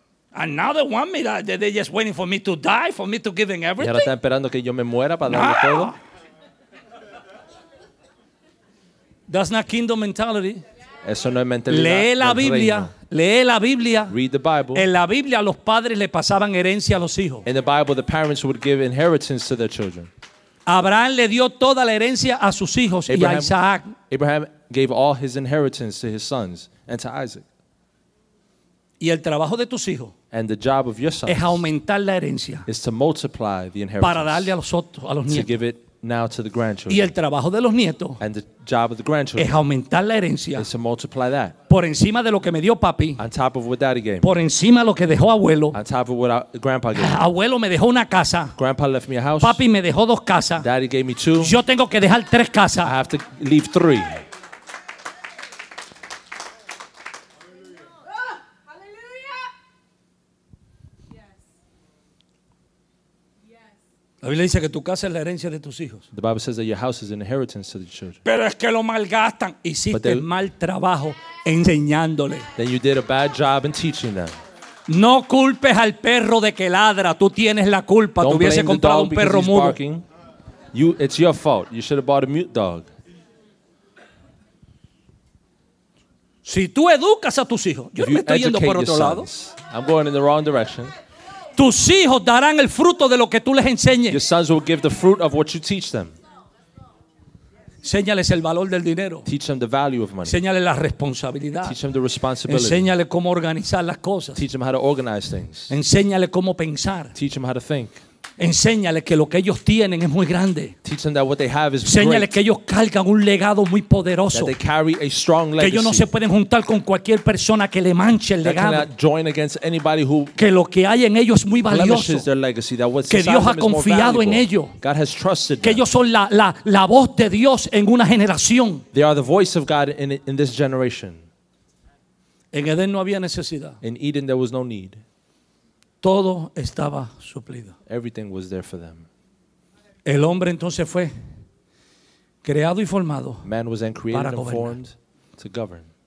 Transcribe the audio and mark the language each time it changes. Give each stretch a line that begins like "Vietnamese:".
English: And now they want me that they're just waiting for me to die, for me to give them everything.
Spanish: Y ahora están esperando que yo me muera para darle todo.
English: That's not kingdom mentality.
Spanish: Eso no es mentalidad. Lee la Biblia. Lee la Biblia.
English: Read the Bible.
Spanish: En la Biblia los padres le pasaban herencia a los hijos.
English: In the Bible the parents would give inheritance to their children.
Spanish: Abraham le dio toda la herencia a sus hijos y a Isaac.
English: Abraham gave all his inheritance to his sons and to Isaac.
Spanish: Y el trabajo de tus hijos
English: and the job of your sons
Spanish: es aumentar la herencia
English: is to multiply the inheritance
Spanish: para darle a los otros, a los nietos.
English: To give it now to the grandchildren.
Spanish: Y el trabajo de los nietos
English: and the job of the grandchildren
Spanish: es aumentar la herencia
English: is to multiply that.
Spanish: Por encima de lo que me dio papi.
English: On top of what daddy gave.
Spanish: Por encima de lo que dejó abuelo.
English: On top of what grandpa gave.
Spanish: Abuelo me dejó una casa.
English: Grandpa left me a house.
Spanish: Papi me dejó 2 casas.
English: Daddy gave me 2.
Spanish: Yo tengo que dejar 3 casas.
English: I have to leave 3.
Spanish: La Biblia dice que tu casa es la herencia de tus hijos.
English: The Bible says that your house is an inheritance to the children.
Spanish: Pero es que lo malgastan. Hiciste they, mal trabajo enseñándole.
English: Then you did a bad job in teaching them.
Spanish: No culpes al perro de que ladra. Tú tienes la culpa.
English: Don't
Spanish: tú hubiese comprado un perro mudo.
English: You, it's your fault. You should have bought a mute dog.
Spanish: Si tú educas a tus hijos, yo me estoy yendo por otro lado.
English: I'm going in the wrong direction.
Spanish: Tus hijos darán el fruto de lo que tú les enseñes.
English: Your sons will give the fruit of what you teach them.
Spanish: Enséñales el valor del dinero.
English: Teach them the value of money.
Spanish: Enséñales la responsabilidad.
English: Teach them the responsibility.
Spanish: Enséñales cómo organizar las cosas.
English: Teach them how to organize things.
Spanish: Enséñales cómo pensar.
English: Teach them how to think.
Spanish: Enséñales que lo que ellos tienen es muy grande.
English: Teach them that what they have is great.
Spanish: Enséñales que ellos cargan un legado muy poderoso.
English: That they carry a strong legacy.
Spanish: Que ellos no se pueden juntar con cualquier persona que le manche el legado.
English: That cannot join against anybody who
Spanish: que lo que hay en ellos es muy valioso.
English: Blemishes their legacy. That what's
Spanish: que Dios ha confiado en ellos.
English: God has trusted them.
Spanish: Que ellos son la voz de Dios en una generación.
English: They are the voice of God in this generation.
Spanish: En Edén no había necesidad.
English: In Eden there was no need.
Spanish: Todo estaba suplido.
English: Everything was there for them.
Spanish: El hombre entonces fue creado y formado.
English: Man was then created and formed to govern.